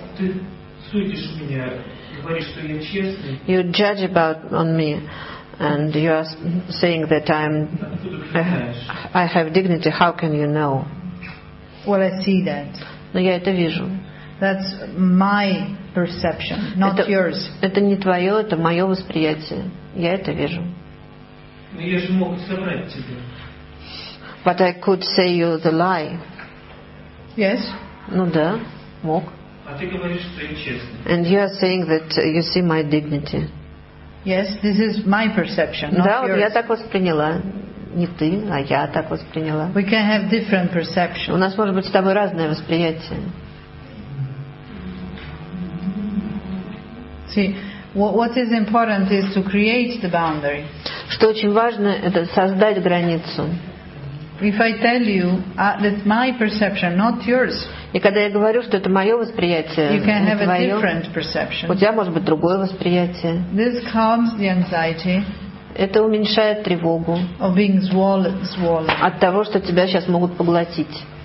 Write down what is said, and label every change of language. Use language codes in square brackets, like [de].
[ru] Ты судишь меня, говоришь, что я честный. [en] You judge about on me, and you are saying that I'm I have dignity. How can you know? Well, I see that. [ru] Но я это вижу. [en] That's my perception, not [ru] это, [en] yours. [ru] Это не твое, это мое восприятие. Я это вижу. Но я же мог соврать тебе. [en] But I could say you the lie. Yes. [ru] Ну да, мог. [en] And you are saying that you see my dignity. Yes, this is my perception, not [ru] да, [en] yours. [ru] Да, я так восприняла. Не ты, а я так восприняла. [en] We can have different perceptions. [ru] У нас может быть с тобой разное восприятие. [en] See, what is important is to create the boundary. [ru] Что очень важно, это создать границу. [en] If I tell you that my perception, not yours, [ru] и когда я говорю, что это мое восприятие, [en] you can have [ru] твое, [en] a different perception. [ru] У тебя может быть другое восприятие. [en] This calms the anxiety. [ru] Это уменьшает тревогу. [en] Of being swollen. [ru] От того, что тебя сейчас могут поглотить.